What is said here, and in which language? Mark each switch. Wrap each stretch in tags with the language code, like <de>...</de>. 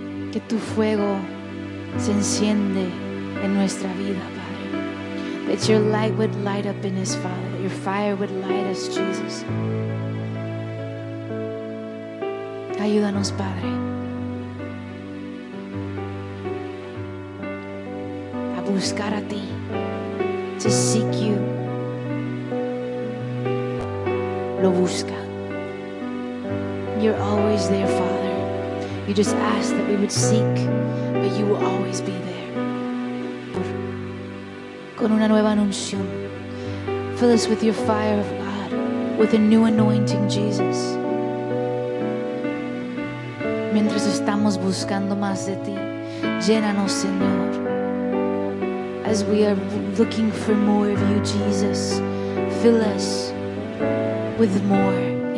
<es>Que tu fuego se enciende en nuestra vida, Padre.</es> <en>That your light would light up in us, Father. That your fire would light us, Jesus.</en> <es>Ayúdanos, Padre, a buscar a ti.</es> <en>To seek you.</en> <es>Lo busca.</es> <en>You're always there, Father. You just ask that we would seek, but you will always be there.</en> <es>Con una nueva unción.</es> <en>Fill us with your fire of God, with a new anointing, Jesus.</en> <es>Mientras estamos buscando más de ti, llénanos, Señor.</es> <en>As we are looking for more of you, Jesus, fill us with more.</en>